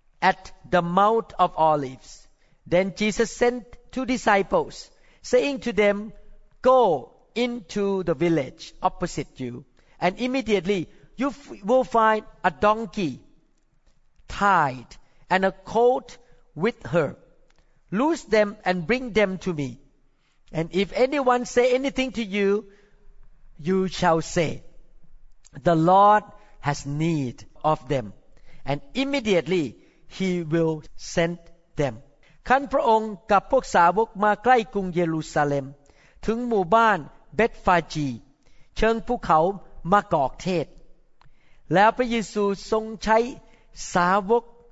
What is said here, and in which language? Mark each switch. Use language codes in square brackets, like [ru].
[en] at the Mount of Olives then Jesus sent two disciples saying to them go into the village opposite you and immediately you will find a donkey tied and a colt with her Loose them and bring them to me. And if anyone say anything to you, you shall say, The Lord has need of them. And immediately he will send them. [th] ขันพระองค์กับพวกสาวกมาใกล้กรุงเยรูซาเล็มถึงหมู่บ้านเบธฟาจีเชิงภูเขามากอกเทศแล้วพระเยซูทรงใช้สาวก